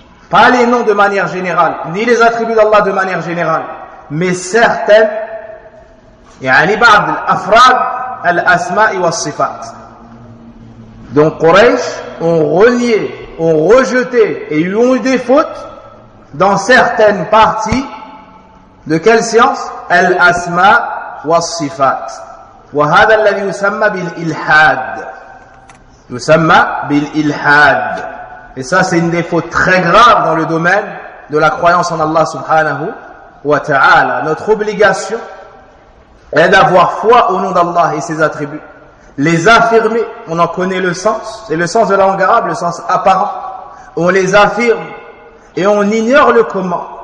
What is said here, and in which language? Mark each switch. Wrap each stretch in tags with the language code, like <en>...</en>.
<fr>Pas les noms de manière générale, ni les attributs d'Allah de manière générale, mais certaines,</fr> <ar>yani ba'd al-afrad al-asma wa sifat.</ar> <fr>Donc Quraysh ont renié, ont rejeté et ont eu des fautes dans certaines parties. De quelle science?</fr> <ar>Al-asma والصفات وهذا الذي يسمى بالإلحاد يسمى بالإلحاد.</ar> <fr>Et ça c'est une des fautes très graves dans le domaine de la croyance en Allah subhanahu wa ta'ala. Notre obligation est d'avoir foi au nom d'Allah et ses attributs, les affirmer, on en connaît le sens, c'est le sens de la langue arabe, le sens apparent, on les affirme et on ignore le comment.</fr>